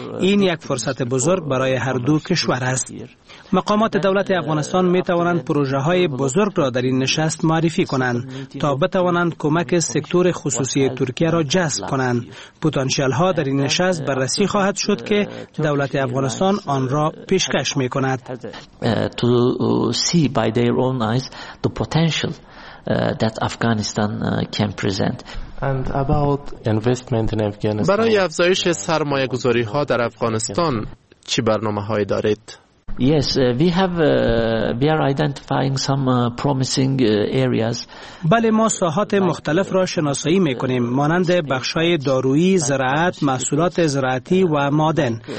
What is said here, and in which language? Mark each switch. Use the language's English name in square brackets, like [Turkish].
[Persian] این یک فرصت بزرگ برای هر دو کشور است. مقامات دولت افغانستان می توانند پروژه های بزرگ را در این نشست معرفی کنند تا بتوانند کمک سکتور خصوصی ترکیه را جذب کنند. پتانسیل ها در این نشست بررسی خواهد شد که دولت افغانستان آن را پیشکش می کند. [English] To see by their own eyes the potential that Afghanistan can present. And about investment in Afghanistan. [Persian] برای افزایش سرمایه گذاری ها در افغانستان چی برنامه های دارید؟ [English] Yes, we have we are identifying some promising areas. [Persian] بله ما ساحات مختلف را شناسایی میکنیم، مانند بخشای دارویی، زراعت، محصولات زراعتی و معدن.